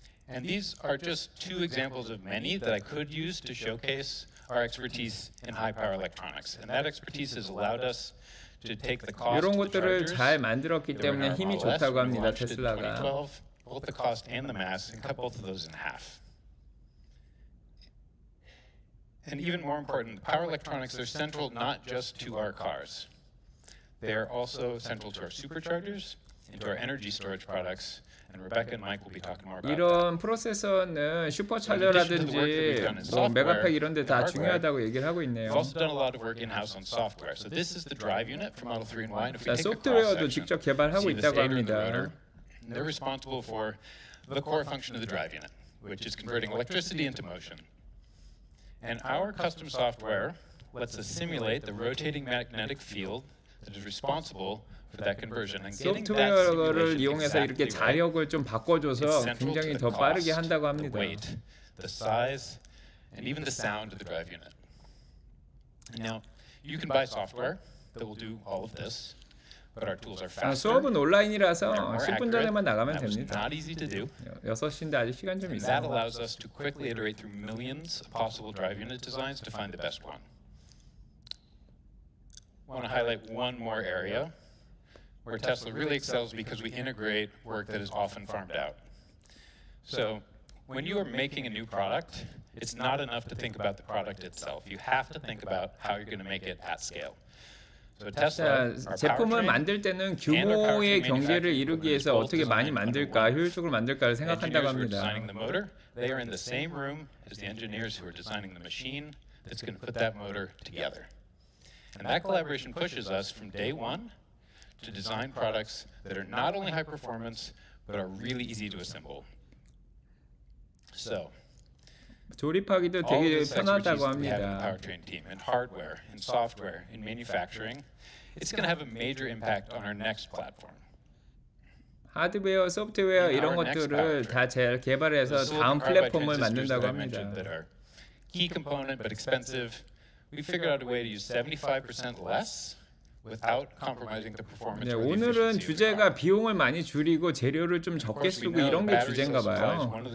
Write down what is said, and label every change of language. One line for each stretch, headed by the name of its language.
English: And these are just two examples of many that I could use to showcase our expertise in high power electronics. And that expertise has allowed us to take the cost
Korean: 이런 것들을 잘 만들었기 때문에 힘이 좋다고 합니다. 테슬라가.
English: Both the cost and the mass and cut both of those in half. And even more important, power electronics are central not just to our cars. They are also central to our superchargers and to our energy storage products. And Rebecca and Mike will be talking more about
Korean: 이런 프로세서는 슈퍼차저라든지 뭐 메가팩 이런 데 다 중요하다고 얘기를 하고 있네요.
English: We've also done a lot of work in-house on software. So this is the drive unit for Model 3 and Y. And if we take
Korean: 소프트웨어도 직접 개발하고 있다고 합니다.
English: They're responsible for the core function of the drive unit, which is converting electricity into motion. And our custom software lets us simulate the rotating magnetic field that is responsible for that conversion. And getting that simulation exactly right,
Korean: 이용해서 이렇게 자력을 좀 바꿔줘서 굉장히 더 빠르게 한다고 합니다.
English: The weight, the size, and even the sound of the drive unit. And now, you can buy software that will do all of this. But our tools are faster.
Korean: 수업은 온라인이라서 10분 전에만 나가면 됩니다.
English: Not easy to do.
Korean: 6시인데 아직 시간 좀 있어요.
English: That allows us to quickly iterate through millions of possible drive unit designs to find the best one. I want to highlight one more area where Tesla really excels because we integrate work that is often farmed out. So, when you are making a new product, it's not enough to think about the product itself. You have to think about how you're going to make it at scale.
Korean: So Tesla, 제품을 만들 때는 규모의 경제를 이루기 위해서 어떻게 많이 만들까, 효율적으로 만들까를 생각한다고 합니다.
English: They are in the same room as the engineers who are designing the machine that's going to put that motor together. And that collaboration pushes us from day one to design products that are not only high performance but are really easy to assemble. So,
Korean: 조립하기도 되게 편하다고 합니다.
English: Powertrain team and hardware and software and manufacturing, it's going to have a major impact on our next platform.
Korean: 하드웨어, 소프트웨어 이런 것들을 다 잘 개발해서 다음 플랫폼을 만든다고 합니다.
English: Key component but expensive. We figured out a way to use 75% less without compromising the performance.
Korean: 네, 오늘은 주제가 비용을 많이 줄이고 재료를 좀 적게 쓰고 이런 게 주제인가 봐요.